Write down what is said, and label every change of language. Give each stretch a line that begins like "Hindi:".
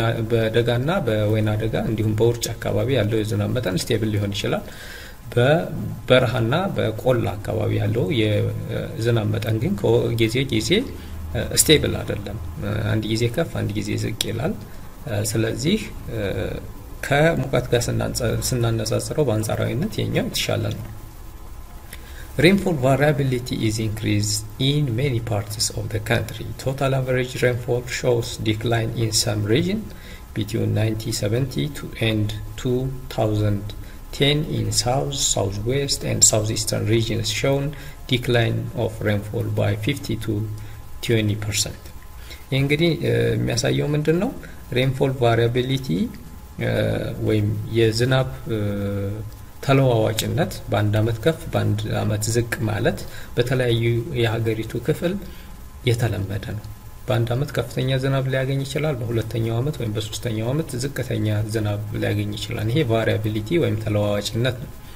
Amharic: በደጋና በወይና ደጋ እንዲሁም በውርጭ አካባቢ ያለው የዝናብ መጠን stable ሊሆን ይችላል። በበርሃና በቆላ አካባቢ ያለው የዝናብ መጠን ግን ከጊዜ stable አይደለም። አንድ ጊዜ ከፍ አንድ ጊዜ ዝቅ ይላል። ስለዚህ ከሙቀት ጋር ስናነጻጽረው በአንጻራዊነት የኛው ይሻላል ነው።
English: Rainfall variability is increased in many parts of the country. Total average rainfall shows decline in some region between 1970 to end 2010 in south, southwest and southeastern regions shown decline of rainfall by 50 to 20%.
Amharic: እንግዲህ የሚያሳየው ምንድነው? Rainfall variability ወይም የዝናብ ተለዋዋጭነት በአንድ አመት ከፍ በአንድ አመት ዝቅ ማለት በተለያዩ የሀገሪቱ ክፍል የተለመደ ነው። በአንድ አመት ከፍተኛ ዝናብ ሊያገኝ ይችላል። በሁለተኛው አመት ወይም በሶስተኛው አመት ዝቅተኛ ዝናብ ሊያገኝ ይችላል። ይሄ ቫሪያቢሊቲ ወይም ተለዋዋጭነት ነው።